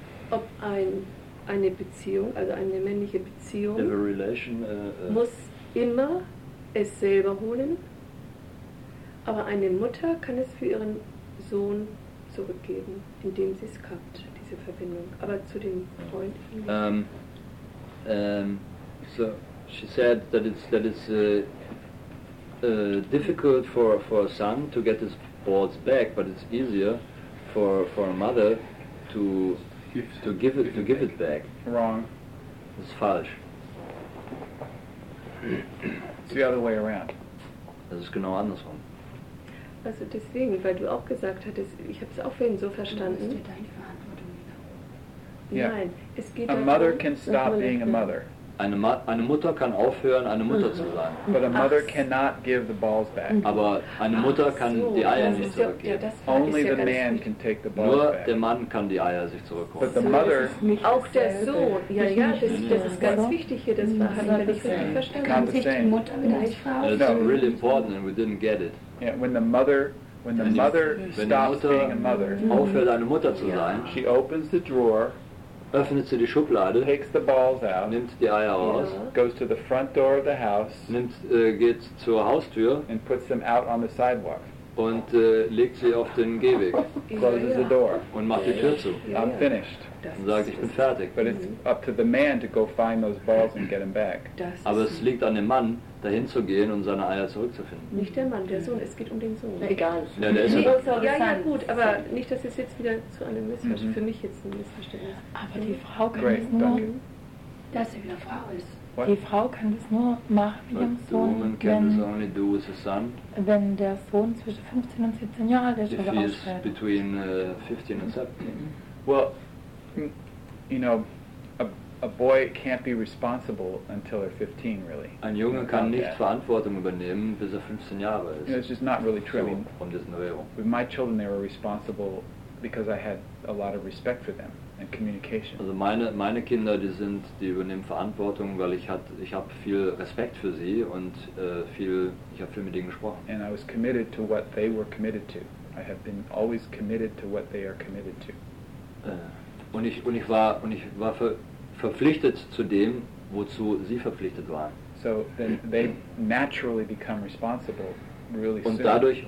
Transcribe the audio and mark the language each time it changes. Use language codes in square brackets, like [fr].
[de] Ob eine Beziehung, also eine männliche Beziehung, muss immer es selber holen. Aber eine Mutter kann es für ihren Sohn zurückgeben, indem sie es kappt, diese Verbindung. Aber zu dem Freund. [en] So she said that it's difficult for a son to get his balls back, but it's easier for a mother to give it back. Wrong. It's [de] falsch. [en] It's the other way around. [de] Das ist genau andersrum. Also deswegen, weil du auch gesagt hattest, ich habe es auch für ihn so verstanden. Du musst dir deine Verantwortung wieder. Yeah. Nein, es geht [en] a mother can stop being a mother. [de] Eine Mutter kann aufhören, eine Mutter zu sein. [en] But a mother cannot give the balls back. [de] Aber eine Mutter kann die Eier nicht zurückgeben. Ja, [en] only [de] ja [en] the man [de] richtig. [en] Can take the balls [de] nur [en] back. [de] Nur der Mann kann die Eier sich zurückholen. [en] But the mother, [de] auch der Sohn, das ist ganz wichtig hier, das Verhalten, ich kann sich die Mutter mit Eichfrau aufhören. [en] It's really important and we didn't get it. Yeah, when the mother stops being a mother, [de] aufhört eine Mutter zu sein, [en] she opens the drawer, [de] öffnet sie die Schublade, [en] takes the balls out, [de] nimmt die Eier aus, [en] goes to the front door of the house, [de] geht zur Haustür, [en] and puts them out on the sidewalk, [de] und legt sie auf den Gehweg, [en] closes the door, [de] und macht die Tür zu. [en] I'm finished. [de] Und sagt, ich bin fertig. [en] But it's up to the man to go find those balls and get them back. [de] Aber es liegt an dem Mann, dahin zu gehen und seine Eier zurückzufinden. Nicht der Mann, der Sohn. Es geht um den Sohn. Na, egal. Ja, der ist nee, ja gut, aber nicht, dass es jetzt wieder zu einem Missverständnis mm-hmm. für mich jetzt ein Missverständnis. Aber die Frau kann es nur, dass sie wieder Frau ist. [en] What? [de] Die Frau kann das nur machen mit ihrem Sohn, wenn der Sohn zwischen 15 und 17 Jahren alt ist, wenn er ausfällt. [en] If he is between 15 and 17. Well, you know, a boy can't be responsible until they're 15, really. [de] Ein Junge kann nicht Verantwortung übernehmen, bis 15 Jahre ist. [en] You know, it's just not really true. So, with my children, they were responsible because I had a lot of respect for them and communication. [de] Also meine Kinder, die übernehmen Verantwortung, weil ich habe viel Respekt für sie und ich habe viel mit ihnen gesprochen. [en] And I was committed to what they were committed to. I have been always committed to what they are committed to. [de] Und ich war verpflichtet zu dem, wozu sie verpflichtet waren. [en] So then they naturally become responsible really soon.